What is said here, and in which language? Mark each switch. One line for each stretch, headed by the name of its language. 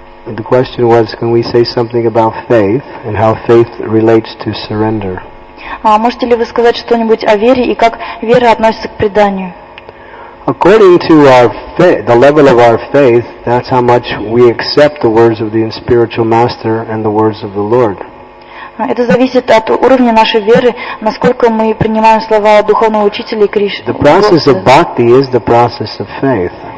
English: The question was, can we say something about faith and how faith relates to surrender?
Russian: Можете ли вы сказать что-нибудь о вере и как вера относится к преданию?
English: According to our faith, the level of our faith, that's how much we accept the words of the spiritual master and the words of the Lord.
Russian: Это зависит от уровня нашей веры, насколько мы принимаем слова духовного учителя и Кришны.
English: The process of bhakti is the process of faith.